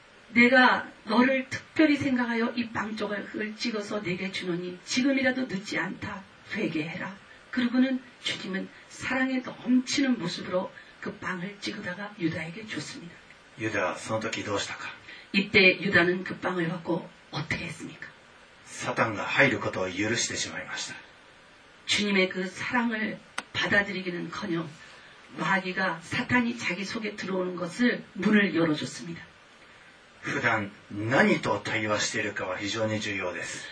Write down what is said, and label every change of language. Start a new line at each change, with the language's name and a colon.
Korean: 내가너를특별히생각하여이빵조각을찍어서내게주노니지금이라도늦지않다회개해라그리고는주님은사랑에넘치는모습으로그빵을찍으다가유다에게줬습니다
Japanese: 유다はその時どうしたか
Korean: 이때유다는그빵을받고어떻게했습니까
Japanese: 사탄が入ることを許してしまいました
Korean: 주님의그사랑을받아들이기는커녕마귀가사탄이자기속에들어오는것을문을열어줬습니다
Japanese: 普段何と対話しているかは非常に重要です